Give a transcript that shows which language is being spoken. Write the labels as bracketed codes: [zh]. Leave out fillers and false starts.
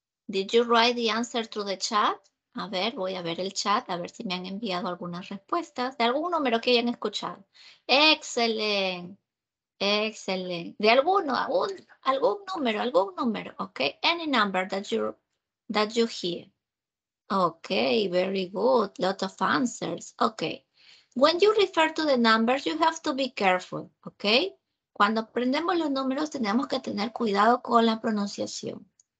[en] Did you write the answer through the chat? [es] A ver, voy a ver el chat, a ver si me han enviado algunas respuestas de algún número que hayan escuchado. Excelente, excelente. De alguno, algún número, ok. [en] Any number that you hear. Ok, very good, lot of answers, ok. When you refer to the numbers, you have to be careful, ok. [es] Cuando aprendemos los números, tenemos que tener cuidado con la pronunciación.